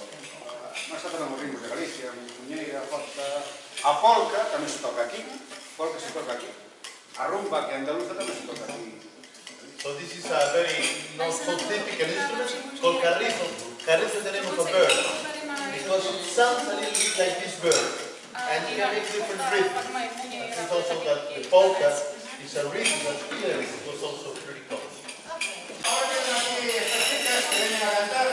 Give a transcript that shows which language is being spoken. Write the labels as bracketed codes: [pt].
[gl] Mas tamén os ritmos de Galicia, Muñeira, falta... A polca tamén se toca aquí, polca se toca aquí. A rumba que é andaluza tamén se toca aquí. [en] So this is a very non-specific instrument called carrizo. Carrizo tenemos a bird, because it sounds a little bit like this bird. And it makes different rhythms. It's also that the polka is a rhythm that here was also pretty common. [es] Ahora tenemos aquí estas chicas que vienen a cantar.